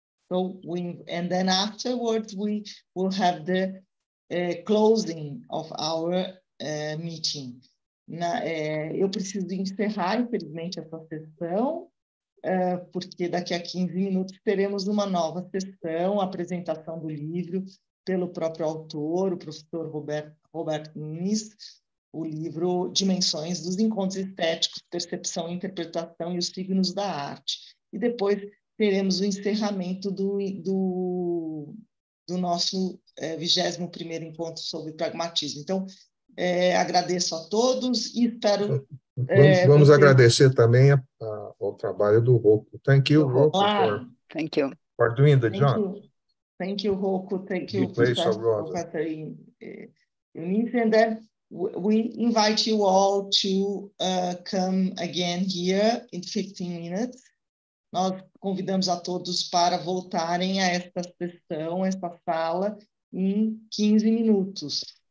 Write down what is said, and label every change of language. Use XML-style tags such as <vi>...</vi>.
<en>So and then afterwards we will have the closing of our meeting.</en> <pt>Eu preciso encerrar, infelizmente, essa sessão, porque daqui a 15 minutos teremos uma nova sessão, apresentação do livro pelo próprio autor, o professor Robert Nunes, o livro Dimensões dos Encontros Estéticos, Percepção, Interpretação e os Signos da Arte. E depois teremos o encerramento do nosso 21º encontro sobre pragmatismo. Então, agradeço a todos e espero... Vamos vocês... agradecer também ao trabalho do Rocco.</pt> <en>Thank you, Rocco. Thank you. For doing the job. Thank you, Rocco. Thank you, Professor Eunice. And then we invite you all to come again here in 15 minutes.</en> <pt>Nós convidamos a todos para voltarem a esta sessão, esta sala, em 15 minutos.</pt>